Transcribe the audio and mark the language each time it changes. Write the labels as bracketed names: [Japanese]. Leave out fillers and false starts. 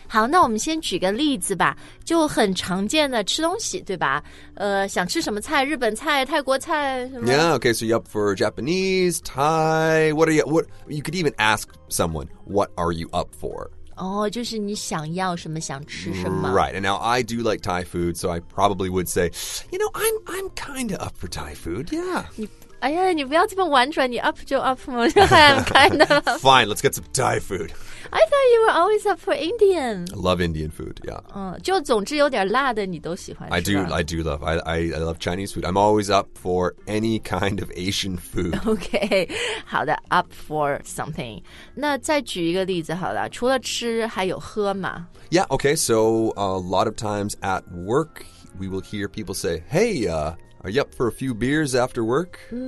[Chinese] 好，那我们先举个例子吧。就很常见的吃东西，对吧？想吃什么菜？日本菜、泰国菜什么 [English] Yeah, okay, so you're up for Japanese, Thai, what are you, what, you could even ask someone, what are you up for? [Chinese] 就是你想要什么想吃什么 [English] Right, and now I do like Thai food, so I probably would say, you know, I'm kind of up for Thai food, yeah. [Chinese] 哎呀你不要这么婉转你 up 就 up 嘛 [English] I'm kind of Fine, let's get some Thai food. I thought you were always up for Indian. I love Indian food, yeah. [Chinese] 就总之有点辣的你都喜欢 [English] I do, I do love, I love Chinese food. I'm always up for any kind of Asian food. Okay, [Chinese] 好的 [English] up for something. [Chinese] 那再举一个例子好了除了吃还有喝嘛 [English] Yeah, okay, so a lot of times at work, we will hear people say, hey, Are you up for a few beers after work?